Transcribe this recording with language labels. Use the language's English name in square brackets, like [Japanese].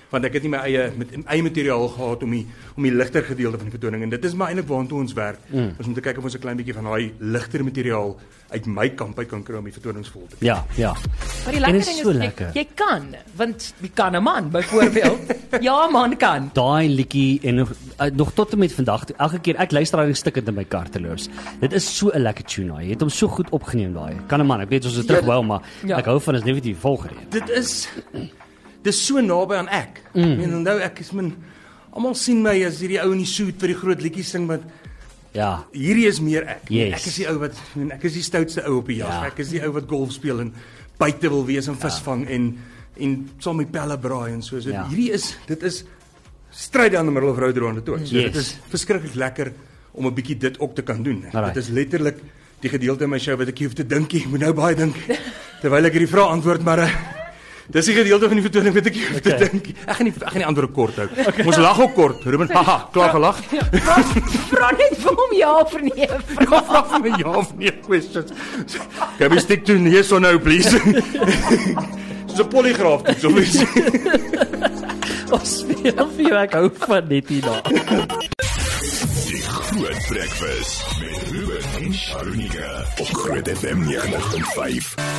[Afrikaans] Want ek het nie my eie materiaal gehad om die ligter gedeelte van die vertoning en dit is maar eintlik waartoe ons werk. Ons moet kyk of ons 'n klein bietjie van daai ligter materiaal uit my kamp uit kan kry om die vertonings vol te kry. Ja, ja. Maar die lekker ding is so lekker. Jy kan, want jy kan 'n man byvoorbeeld. Ja, man kan. Daai liedjie en nog tot en met vandag toe, elke keer ek luister daai stukke in my kar terloops. Dit is so 'n lekker tune daai. Jy het hom so goed opgeneem daai. Kan 'n man, ek weet ons is terug wel, maar ja. Ek hou van as net die volgende. Dit is so naby aan ek. En onthou ek is min almal sien my as hierdie ou in die suit vir die groot liedjies sing met ja. Hierdie is meer ek. [English] Yes. [Afrikaans] Ek is die ou wat ek is die stoutste ou op die jag. Ek is die ou wat golf speel en buite wil wees en visvang en saam met pelle braai en so. Dit is stryd aan die middel of rou dronde toe. So dit is verskriklik lekker om 'n bietjie dit ook te kan doen. [English] Alright. [Afrikaans] Dit is letterlik die gedeelte in my show wat ek hoef te dink. Ek moet nou baie dink terwyl ek hierdie vrae antwoord, maar dis die gedeelte van die vertoning wat ek hoef te dink. Ek gaan die antwoord kort hou. [English] Okay. [Afrikaans] Ons lag ook kort. Ruben, haha, klaar gelag. Vra net vir hom ja of nee. Vra vir my ja of nee questions. [English] Can we stick to yes or no please? [Afrikaans] Dis 'n poligraaf toe, so mens. Ons speel vir jou, ek hou van dit hierna. Die Groot Breakfast met Ruben en Sharunika op Groot FM 95.